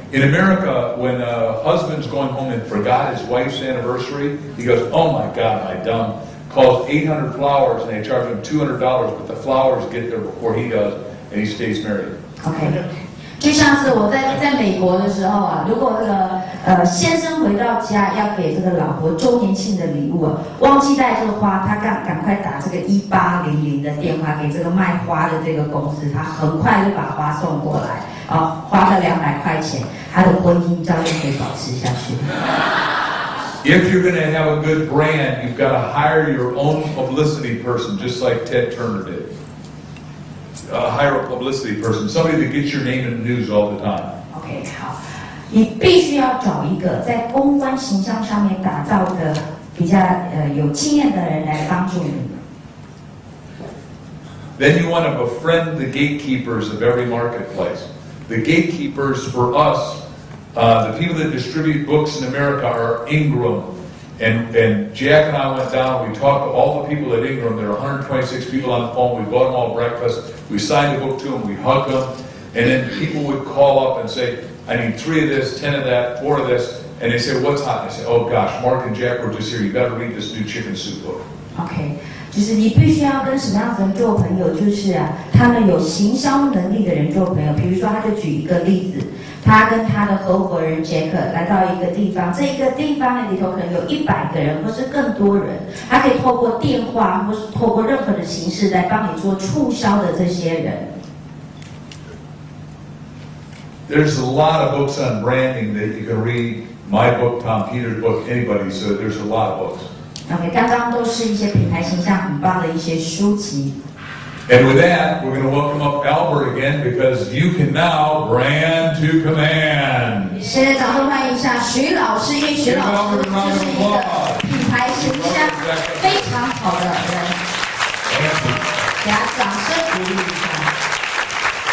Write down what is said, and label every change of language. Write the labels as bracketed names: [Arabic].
[English] In America, when a husband's going home and forgot his wife's anniversary, he goes, oh my god, I dumbCalls 800 flowers and they charge him $200, but the flowers get there before he does and he stays married. Okay. [Chinese] 就像是我在美国的时候啊，如果那个先生回到家要给这个老婆周年庆的礼物啊，忘记带这个花，他赶快打这个1800的电话给这个卖花的这个公司，他很快就把花送过来，啊，花了200块钱，他的婚姻照样可以保持下去。 [English] If you're going to have a good brand, you've got to hire your own publicity person, just like Ted Turner did. Hire a publicity person, somebody that gets your name in the news all the time. [Chinese] Okay, 好，你必须要找一个在公关形象上面打造的比较有经验的人来帮助你。 [English] Then you want to befriend the gatekeepers of every marketplace. The gatekeepers for us. The people that distribute books in America are Ingram. And Jack and I went down, we talked to all the people at Ingram. There are 126 people on the phone. We bought them all breakfast. We signed a book to them. We hugged them. And then people would call up and say, I need 3 of this, 10 of that, 4 of this. And they say, what's hot? And they say, oh gosh, Mark and Jack were just here. You better read this new Chicken Soup book. Okay. [Chinese] 就是你必须要跟什么样的人做朋友，就是啊，他们有行销能力的人做朋友。比如说，他就举一个例子，他跟他的合伙人杰克来到一个地方，这一个地方里头可能有100个人或是更多人，他可以透过电话或是透过任何的形式来帮你做促销的这些人。 [English] There's a lot of books on branding that you can read. My book, Tom Peter's book, anybody. So there's a lot of books. [Chinese] Okay, 刚刚都是一些品牌形象很棒的一些书籍。 [English] And with that, we're going to welcome up Albert again because you can now brand to command. [Chinese] 现在掌声欢迎一下徐老师，因为徐老师就是一个品牌形象非常好的人。给他掌声鼓励一下。